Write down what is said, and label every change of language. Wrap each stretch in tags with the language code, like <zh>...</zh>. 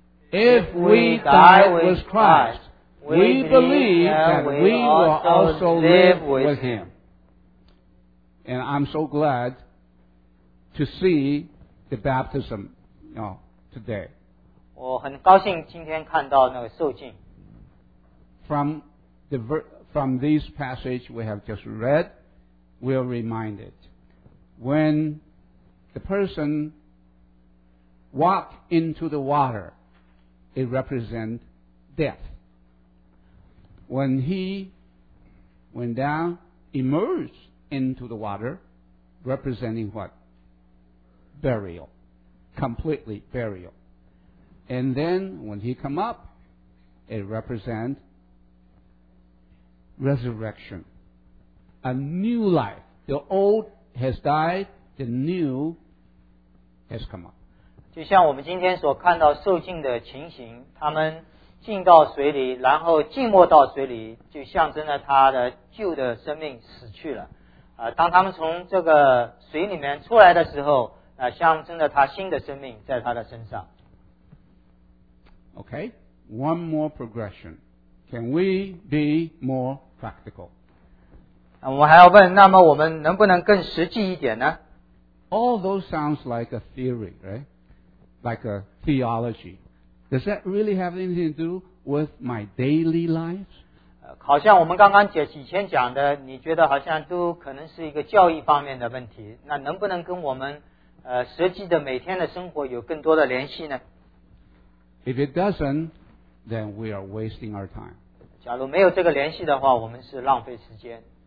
<en>If we die with Christ, we believe that we will also live with him. And I'm so glad to see the baptism, you know, today.</en> <zh>我很高兴今天看到那个受浸。</zh> <en>From this passage we have just read, we are reminded. When the person walked into the water, it represents death. When he went down, emerged into the water, representing what? Burial. Completely burial. And then when he come up, it represents resurrection. A new life. The old has died, the new has come up.</en> <zh>就像我们今天所看到受浸的情形，他们浸到水里，然后浸没到水里，就象征了他的旧的生命死去了。当他们从这个水里面出来的时候，象征了他新的生命在他的身上。</zh> <en>Okay, one more progression. Can we be more practical?</en> <zh>我还要问，那么我们能不能更实际一点呢？</zh> <en>All those sounds like a theory, right? Like a theology. Does that really have anything to do with my daily life?</en> <zh>好像我们刚刚以前讲的，你觉得好像都可能是一个教义方面的问题，那能不能跟我们实际的每天的生活有更多的联系呢？</zh> <en>If it doesn't, then we are wasting our time.</en> <zh>假如没有这个联系的话，我们是浪费时间。</zh>